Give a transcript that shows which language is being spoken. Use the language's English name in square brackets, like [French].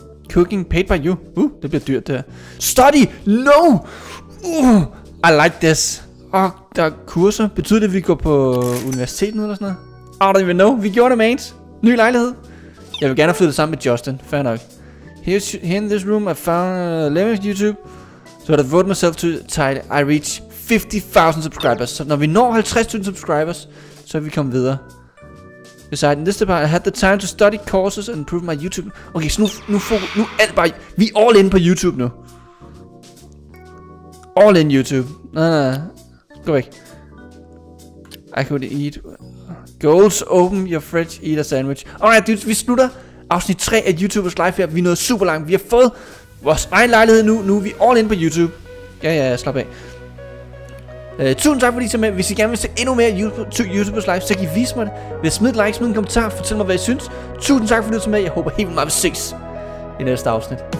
[English] Cooking paid by you. [Danish] Det bliver dyrt det her. [English] Study! No! I like this. [Danish] Og der er kurser. Betyder det, at vi går på universitetet eller sådan noget? [English] I don't even know. [Danish] Vi gjorde det, mans. Ny lejlighed. Jeg vil gerne flytte sammen med Justin. Fair nok. [English] Here in this room, I found a living YouTube. So I devoted myself to title. I reach 50,000 subscribers. [Danish] Så når vi når 50,000 subscribers, så vil vi komme videre. [English] Besides, in this department, I had the time to study courses and improve my YouTube. [Danish] Okay, så nu er alt bare... Vi er all in på YouTube nu. [English] All in YouTube. [Danish] Nej. Gå væk. [English] I could eat... Goals, open your fridge, eat a sandwich. [Danish] Alright, dudes, vi slutter afsnit 3 af YouTubers Live her. Vi er nået super langt. Vi har fået vores egen lejlighed nu. Nu er vi all in på YouTube. Ja, slap af. Tusind tak fordi I så med. Hvis I gerne vil se endnu mere YouTubers Live, så kan I vise mig det. Ved at smide et like, smide en kommentar, fortæl mig hvad I synes. Tusind tak fordi I så med. Jeg håber helt vildt meget, at vi ses i næste afsnit.